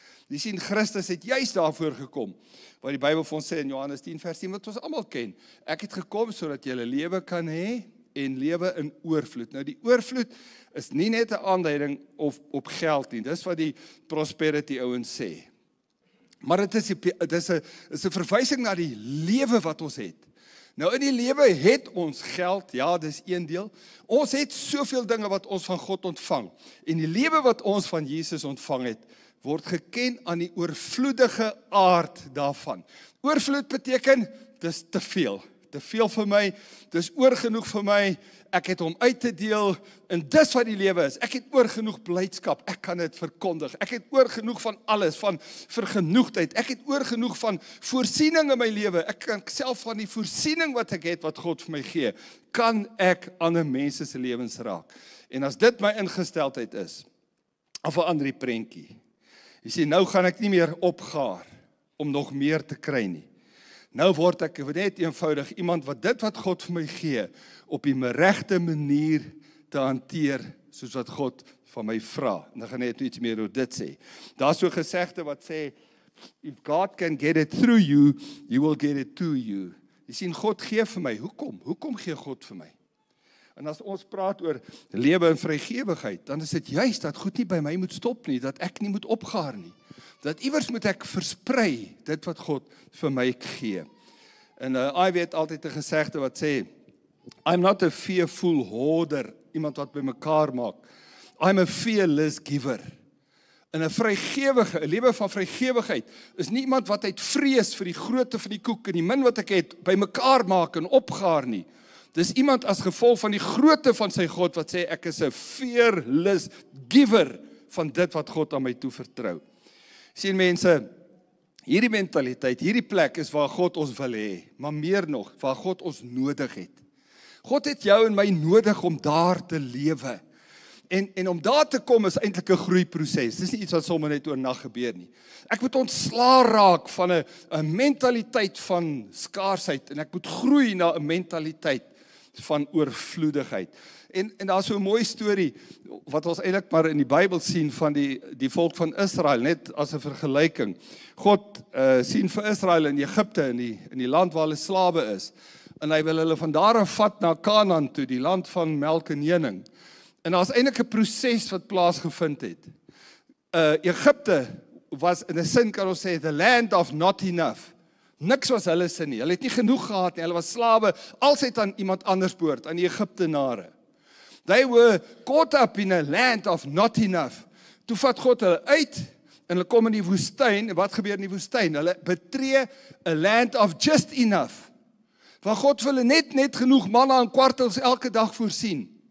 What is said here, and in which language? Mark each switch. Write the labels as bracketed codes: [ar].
[af] Jy sien, Christus het juist daarvoor gekom, wat die Bybel vir ons sê in Johannes 10 vers 10, wat ons allemaal ken. Ek het gekom, sodat jy lewe kan hê, en lewe in oorvloed. Nou die oorvloed is nie net 'n aanduiding op geld nie, dis wat die prosperity ouens sê. Maar het is een verwysing na die lewe wat ons het. Nou in die lewe het ons geld, ja, dis een deel. Ons het soveel dinge wat ons van God ontvang. En die lewe wat ons van Jesus ontvang het, word geken aan die oorvloedige aard daarvan. Oorvloed beteken, dis te veel. Te veel vir my, dis oorgenoeg vir my, ek het om uit te deel, en dis wat die lewe is. Ek het oorgenoeg blydskap, ek kan dit verkondig. Ek het oorgenoeg van alles, van vergenoegdheid. Ek het oorgenoeg van voorsiening in my lewe. Ek kan self van die voorsiening wat ek het, wat God vir my gee, kan ek ander mense se lewens raak. En as dit my ingesteldheid is, af een ander prentjie, jy sê, nou gaan ek nie meer opgaar om nog meer te kry nie. Nou word ek net eenvoudig iemand wat dit wat God vir my gee, op die regte manier te hanteer, soos wat God van my vra. En dan gaan net iets meer oor dit sê. Daar is so gesegde wat sê, [en] if God can get it through you, he will get it to you. [af] Jy sê, God gee vir my, hoekom? Hoekom gee God vir my? En as ons praat oor lewe en vrygewigheid, dan is dit juist dat goed nie by my moet stop nie, dat ek nie moet opgaar nie. Dat iewers moet ek versprei dit wat God vir my gee. En I weet altyd 'n gesegde wat sê, [en] I'm not a fearful hoarder, [af] iemand wat by mekaar maak. [en] I'm a fearless giver. [af] En 'n vrygewige, 'n lewe van vrygewigheid, is nie iemand wat uit vrees vir die grootte van die koek en die min wat ek het, by mekaar maak en opgaar nie. Dis iemand as gevolg van die grootte van sy God, wat sê, ek is 'n [en] fearless giver [af] van dit wat God aan my toe vertrou. Sien mense, hierdie mentaliteit, hierdie plek is waar God ons wil hê, maar meer nog, waar God ons nodig het. God het jou en my nodig om daar te lewe. En om daar te kom is eintlik 'n groeiproses. Dis nie iets wat sommer net oornag gebeur nie. Ek moet ontslaa raak van 'n mentaliteit van skaarsheid en ek moet groei na 'n mentaliteit van oorvloedigheid. En daar is so 'n mooi storie, wat ons eintlik maar in die Bybel sien, van die volk van Israel, net as 'n vergelyking. God sien vir Israel in Egipte, in die land waar hulle slawe is, en hy wil hulle van daar af vat na Kanaan toe, die land van melk en honing. En daar is eintlik 'n proses wat plaasgevind het. Egipte was, in 'n sin kan ons sê, [en] the land of not enough. [af] Niks was hulle se nie. Hulle het nie genoeg gehad nie. Hulle was slawe. Als het aan iemand anders behoort, aan die Egiptenare. [en] They were caught up in a land of not enough. [af] Toe vat God hulle uit en hulle kom in die woestyn. Wat gebeur in die woestyn? Hulle betree [en] a land of just enough. [af] Waar God vir hulle net genoeg manna en kwartels elke dag voorsien.